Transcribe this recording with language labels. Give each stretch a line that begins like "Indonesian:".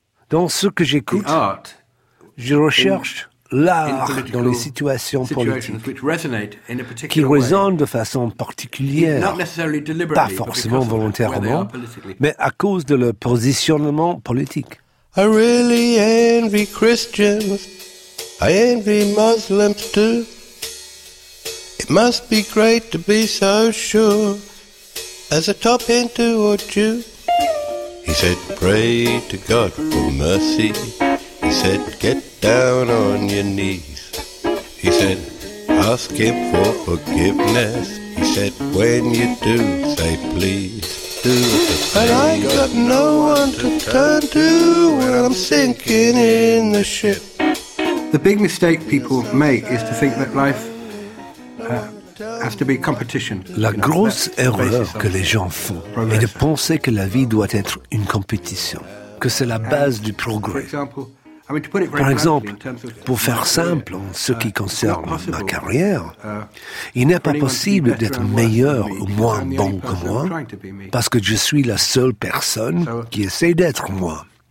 French: Dans ce que j'écoute, je recherche l'art dans les situations politiques qui résonnent de façon particulière, pas forcément volontairement, mais à cause de leur positionnement politique.
English: I really envy Christians, I envy Muslims too. It must be great to be so sure as a top Hindu or Jew. He said, pray to God for mercy. He said, get down on your knees. He said, ask him for forgiveness. He said, when you do, say please. Do the same. But I got no one to turn to when I'm sinking in the ship. The big mistake people make is to think that life has to be competition.
French: La grosse erreur que les gens font est de penser que la vie doit être une compétition, que c'est la base du progrès. Par exemple, pour faire simple en ce qui concerne ma carrière, il n'est pas possible d'être meilleur ou moins bon que moi parce que je suis la seule personne qui essaie d'être moi.